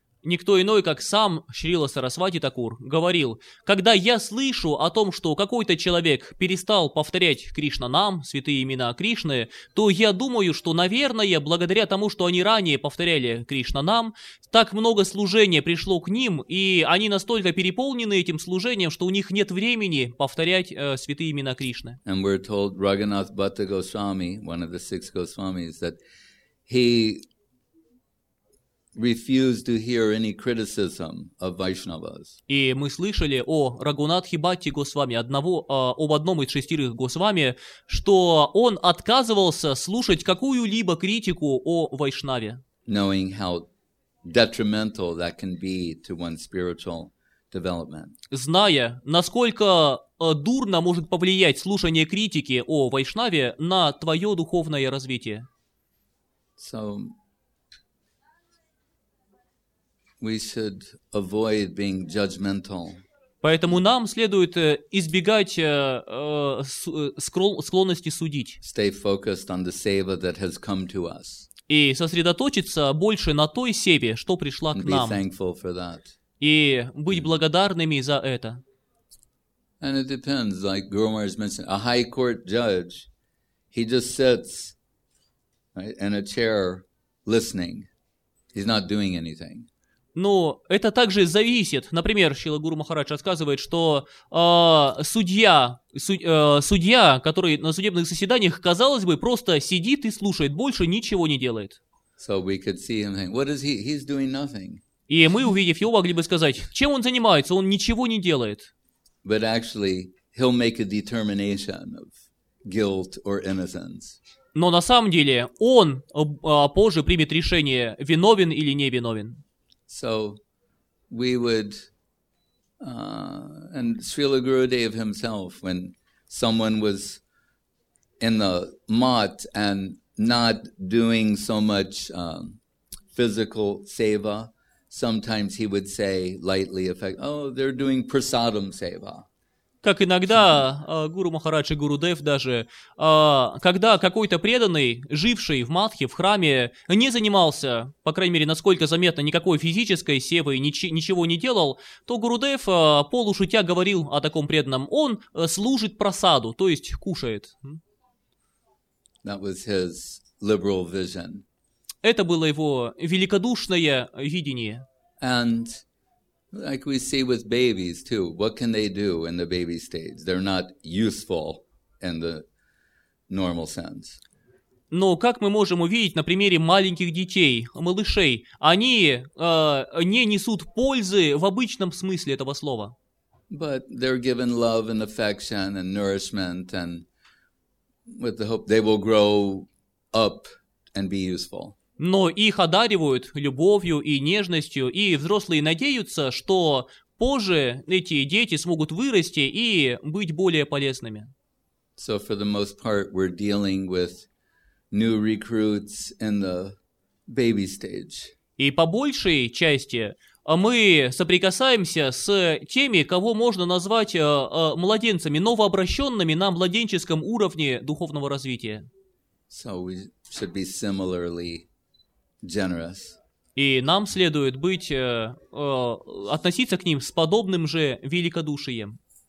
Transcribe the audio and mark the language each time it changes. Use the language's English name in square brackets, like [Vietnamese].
[Russian] Никто иной, как сам Шрила Сарасвати Такур, говорил, когда я слышу о том, что какой-то человек перестал повторять Кришна Нам, святые имена Кришны, то я думаю, что, наверное, благодаря тому, что они ранее повторяли Кришна Нам, так много служения пришло к ним, и они настолько переполнены этим служением, что у них нет времени повторять святые имена Кришны. [English] And we're told Raghunath Bhatta Goswami, one of the six Goswamis, that he refused to hear any criticism of Vaishnavas. [Russian] И мы слышали о Рагунатхе Бхатте Госвами, об одном из шестерых Госвами, что он отказывался слушать какую-либо критику о Вайшнаве. [English] Knowing how detrimental that can be to one's spiritual development. [Russian] Зная, насколько дурно может повлиять слушание критики о Вайшнаве на твое духовное развитие. [English] So we should avoid being judgmental. [Russian] Поэтому нам следует избегать склонности судить. [English] Stay focused on the seva that has come to us. [Russian] И сосредоточиться больше на той севе, что пришла к нам. [English] Be thankful for that. [Russian] И быть благодарными за это. [English] And it depends, like Guru Maharaj mentioned, a high court judge, he just sits right, in a chair listening. He's not doing anything. [Russian] Но это также зависит. Например, Шрила Гуру Махарадж рассказывает, что судья, который на судебных заседаниях, казалось бы, просто сидит и слушает, больше ничего не делает. [English] So we could see him think, what is he? He's doing nothing. [Russian] И мы, увидев его, могли бы сказать, чем он занимается? Он ничего не делает. [English] But actually, he'll make a determination of guilt or innocence. [Russian] Но на самом деле он позже примет решение, виновен или не виновен. [English] So we would, and Srila Gurudev himself, when someone was in the mat and not doing so much physical seva, sometimes he would say lightly, they're doing prasadam seva. [Russian] Как иногда Гуру Махарадж и Гуру Дев даже, когда какой-то преданный, живший в матхе, в храме, не занимался, по крайней мере, насколько заметно, никакой физической севой, ничего не делал, то Гуру Дев полушутя говорил о таком преданном. Он служит прасаду, то есть кушает. [English] That was his liberal vision. [Russian] Это было его великодушное видение. [English] And like we see with babies too, what can they do in the baby stage? They're not useful in the normal sense. [Russian] Но как мы можем увидеть на примере маленьких детей, малышей, они не несут пользы в обычном смысле этого слова. [English] But they're given love and affection and nourishment, and with the hope they will grow up and be useful. [Russian] Но их одаривают любовью и нежностью, и взрослые надеются, что позже эти дети смогут вырасти и быть более полезными. [English] So for the most part, we're dealing with new recruits in the baby stage. [Russian] И по большей части мы соприкасаемся с теми, кого можно назвать младенцами, новообращенными на младенческом уровне духовного развития. [English] So we should be similarly generous. [Russian] И нам следует быть относиться к ним с подобным же великодушием.